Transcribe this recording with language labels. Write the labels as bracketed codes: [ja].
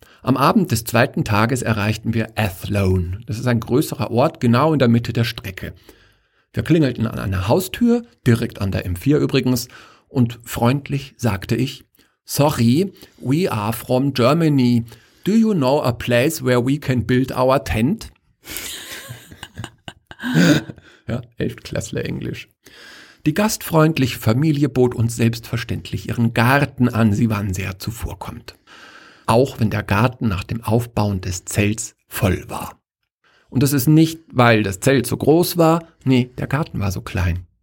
[de] Am Abend des 2. Tages erreichten wir Athlone. Das ist ein größerer Ort, genau in der Mitte der Strecke. Wir klingelten an einer Haustür, direkt an der M4 übrigens, und freundlich sagte ich, [en] "Sorry, we are from Germany. Do you know a place where we can build our tent?" [de] Ja, 11. Klasse Englisch. Die gastfreundliche Familie bot uns selbstverständlich ihren Garten an. Sie waren sehr zuvorkommend. Auch wenn der Garten nach dem Aufbauen des Zelts voll war. Und das ist nicht, weil das Zelt so groß war. Nee, der Garten war so klein.